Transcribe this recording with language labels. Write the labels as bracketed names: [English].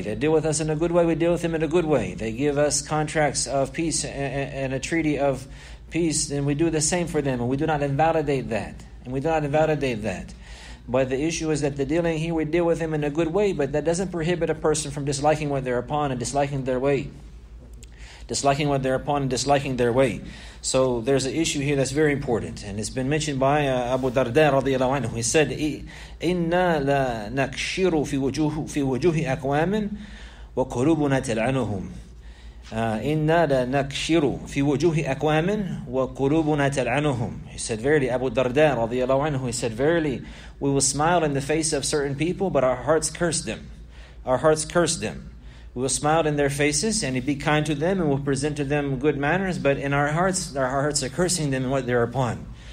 [English] They deal with us in a good way, we deal with them in a good way. They give us contracts of peace and a treaty of peace, then we do the same for them, and we do not invalidate that. And we do not invalidate that. But the issue is that the dealing here, we deal with them in a good way, but that doesn't prohibit a person from disliking what they're upon and disliking their way. Disliking what they're upon and disliking their way. So there's an issue here that's very important. And it's been mentioned by Abu Darda radiallahu anhu. He said, [Arabic] إِنَّا لَنَكْشِرُ فِي وَجُوهِ أَقْوَامٍ وَقُلُوبُنَا تَلْعَنُهُمْ إِنَّا لَنَكْشِرُ فِي وَجُوهِ أَقْوَامٍ وَقُلُوبُنَا تَلْعَنُهُمْ. [English] He said, verily, Abu Darda radiallahu anhu, he said, verily, we will smile in the face of certain people, but our hearts curse them. Our hearts curse them. We will smile in their faces and be kind to them, and we'll present to them good manners, but in our hearts are cursing them and what they're upon.